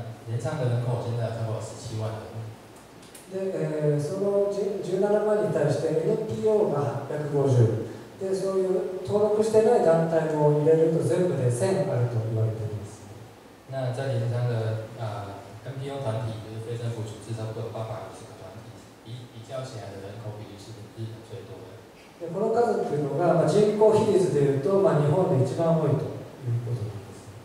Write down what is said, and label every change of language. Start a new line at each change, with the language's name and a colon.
Chinese: 镰仓的人口现在超过17万人。
Japanese: で、その17万に対して NPO が850。で、そういう登録してない団体も入れると全部で1000あると言われています。
Chinese: 那在镰仓的NPO 团体就是非政府组织差不多850个团体，比较起来的人口比例是日本最多的。
Japanese: で、この数っていうのが、まあ、人口比率でいうと、まあ、日本で一番多いということなんです。